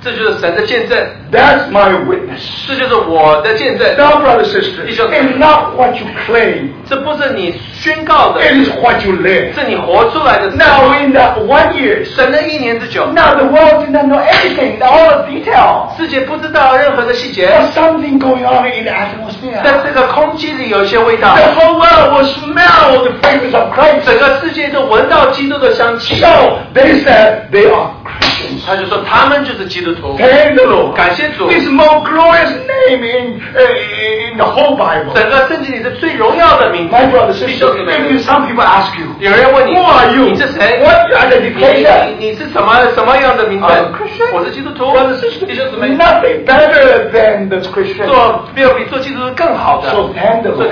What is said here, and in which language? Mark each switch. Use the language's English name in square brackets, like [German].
[Chinese] 这就是神的见证, [English] that's my witness. [Chinese] 这就是我的见证, [English] now, brother, sister, it's not what you claim. [Chinese] 这不是你宣告的, [English] it is what you live. [Chinese] 是你活出来的, [English] now, in that 1 year, [Chinese] 神的一年之久, [English] now the world did not know anything, all the detail. [Chinese] 世界不知道任何的细节, [English] there's something going on in the atmosphere. [Chinese] 在这个空气里, [English] the whole world will smell the fragrance of Christ. [Chinese] 整个世界都闻到基督的香气, [English] so they said they are Christians. [Chinese] 他就说他们就是基督徒, [English] thank the Lord, [Chinese] 感谢主, [English] this most glorious name in the whole Bible. [Chinese] 整个圣经里是最荣耀的名字, [English] my brother, sister, some people ask you, [Chinese] 有人问你, [English] who are you? [Chinese] 你是谁? [English] What your identification? [Chinese] 你是什么样的名字? [English] I'm a Christian. [Chinese] 我是基督徒, [English] brother, sister, [Chinese] 弟兄姊妹, [English] nothing better than the Christian. [Chinese] 没有比做基督更好的, [English] so thank the Lord.